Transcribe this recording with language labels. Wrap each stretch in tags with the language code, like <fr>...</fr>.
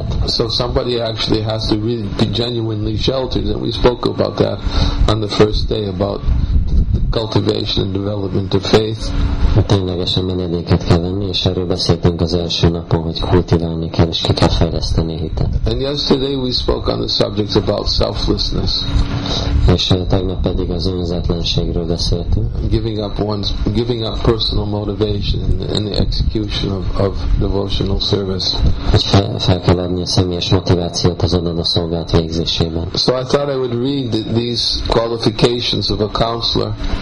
<en>So somebody actually has to really be genuinely sheltered, and we spoke about that on the first day about the cultivation and development of faith.</en> <hu>Ténylegesen menedéket kell venni, és erről beszéltünk az első napon, hogy kultiválni kell, és ki kell fejleszteni a hitet.</hu> <en>And yesterday we spoke on the subject about selflessness.</en> <hu>És tegnap pedig az önzetlenségről beszéltünk.</hu> <en>Giving up personal motivation in the execution of devotional service.</en> <hu>Fel kell adni a személyes motivációt az adott a szolgálat végzésében.</hu> <en>So I thought I would read these qualifications of a counselor.</en>